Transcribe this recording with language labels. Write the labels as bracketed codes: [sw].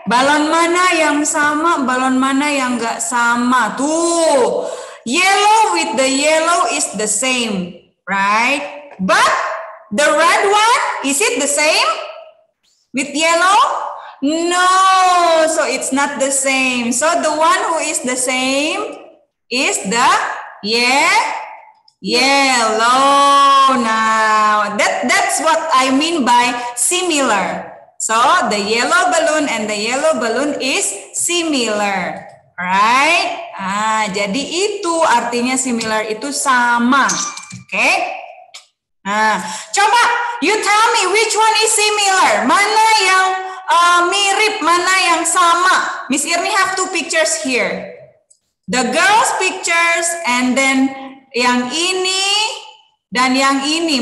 [id] Balon mana yang sama, balon mana yang enggak sama. [en] Tuh, yellow with the yellow is the same, right? But the red one, is it the same with yellow? No, so it's not the same. So the one who is the same is the yellow. Now, that's what I mean by similar. So the yellow balloon and the yellow balloon is similar, right? [id] Ah, jadi itu artinya similar itu sama, okay? Nah, coba [en] you tell me which one is similar. [id] Mana yang mirip, mana yang sama? [en] Miss Irmi have two pictures here. The girl's pictures and then [id] yang ini dan yang ini.